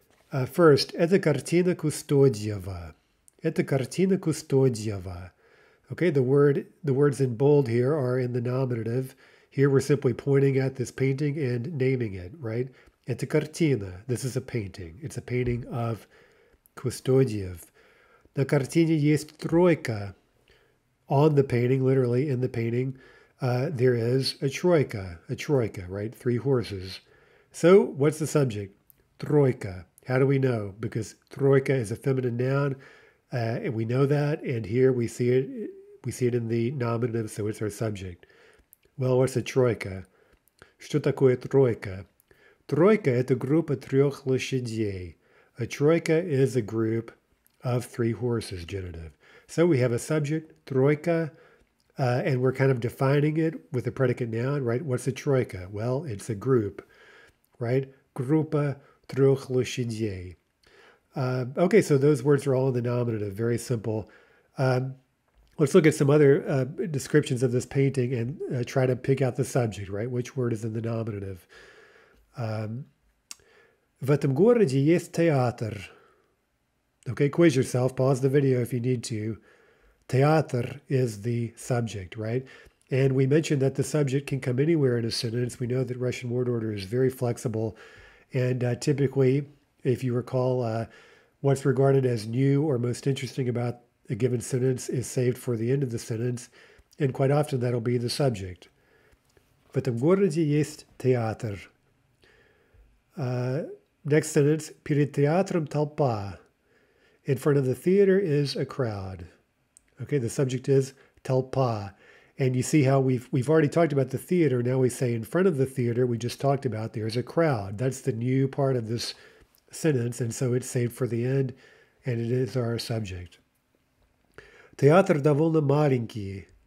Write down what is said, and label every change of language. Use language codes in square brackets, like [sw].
[ru] First, это картина Кустодиева. Это картина Кустодиева. [en] Okay, the words in bold here are in the nominative. Here we're simply pointing at this painting and naming it, right? [ru] Это картина. [en] This is a painting. It's a painting of Кустодиев. [ru] На картине есть тройка. [en] On the painting, literally in the painting, there is a тройка, right? Three horses. So what's the subject? Тройка. How do we know? Because troika is a feminine noun, and we know that, and here we see it in the nominative, so it's our subject. Well, what's a troika? [ru] Что такое тройка? Тройка – это группа трех лошадей. [en] A troika is a group of three horses, genitive. So we have a subject, troika, and we're kind of defining it with a predicate noun, right? What's a troika? Well, it's a group, right? [ru] Группа трех лошадей. [en] Okay, so those words are all in the nominative, very simple. Let's look at some other descriptions of this painting and try to pick out the subject, right? Which word is in the nominative? [ru] В этом городе есть театр. [en] Okay, quiz yourself. Pause the video if you need to. Театр is the subject, right? And we mentioned that the subject can come anywhere in a sentence. We know that Russian word order is very flexible. And typically, if you recall, what's regarded as new or most interesting about a given sentence is saved for the end of the sentence, and quite often that'll be the subject. [ru] В этом городе есть театр. [en] Next sentence, [ru] перед театром толпа. [en] In front of the theater is a crowd. Okay, the subject is толпа. And you see how we've already talked about the theater, now we say in front of the theater, we just talked about, there's a crowd. That's the new part of this sentence, and so it's saved for the end, and it is our subject. [ru] Театр довольно маленький.